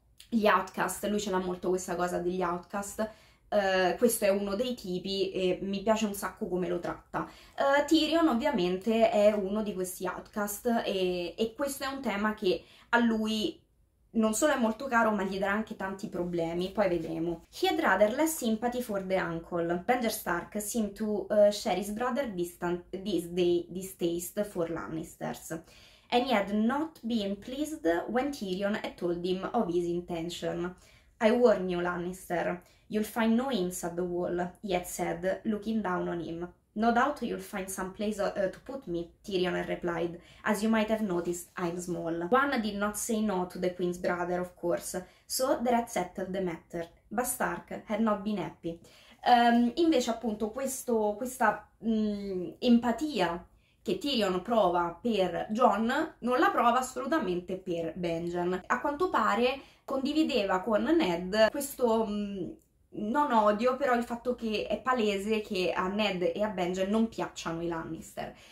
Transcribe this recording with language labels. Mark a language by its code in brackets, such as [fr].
[it] Gli Outcast, lui ce l'ha molto questa cosa degli Outcast, questo è uno dei tipi e mi piace un sacco come lo tratta. Tyrion ovviamente è uno di questi Outcast e questo è un tema che a lui non solo è molto caro, ma gli darà anche tanti problemi. Poi vedremo. [en] He had rather less sympathy for the uncle. Benjer Stark seemed to share his brother's distaste for Lannisters. And he had not been pleased when Tyrion had told him of his intention. I warn you, Lannister. You'll find no inns at the wall, he had said, looking down on him. No doubt you'll find some place to put me, Tyrion had replied. As you might have noticed, I'm small. One did not say no to the Queen's brother, of course, so that settled the matter. But Stark had not been happy. [it] Invece, appunto, questa empatia che Tyrion prova per Jon non la prova assolutamente per Benjen. A quanto pare condivideva con Ned questo. Non odio però il fatto che è palese che a Ned e a Benjen non piacciono i Lannister.